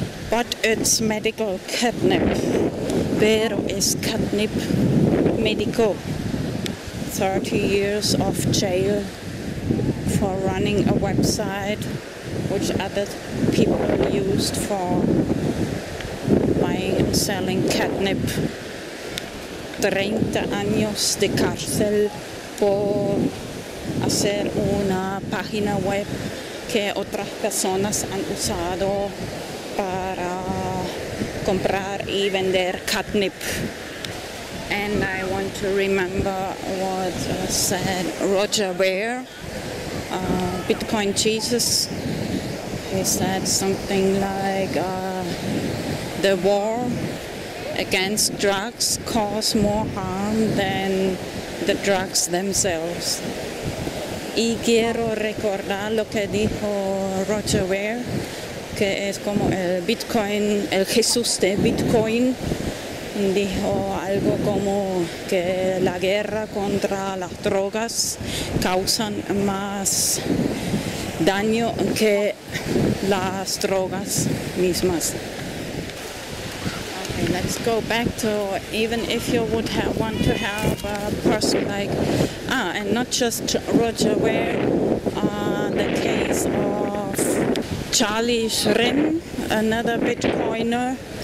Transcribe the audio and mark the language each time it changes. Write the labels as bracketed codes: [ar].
[en] But it's medical catnip. [es] Pero es catnip médico. [en] 30 years of jail for running a website which other people used for buying and selling catnip. [es] 30 años de cárcel por hacer una página web que otras personas han usado para comprar y vender catnip. [en] And I want to remember what said Roger Ver, Bitcoin Jesus. He said something like, the war against drugs cause more harm than the drugs themselves. [es] Y quiero recordar lo que dijo Roger Ver, que es como el Bitcoin, el Jesús de Bitcoin. Dijo algo como que la guerra contra las drogas causan más daño que las drogas mismas. [en] Okay, let's go back to, even if you would have, want to have a person like, and not just Roger Ware, the case of Charlie Shrim, another Bitcoiner.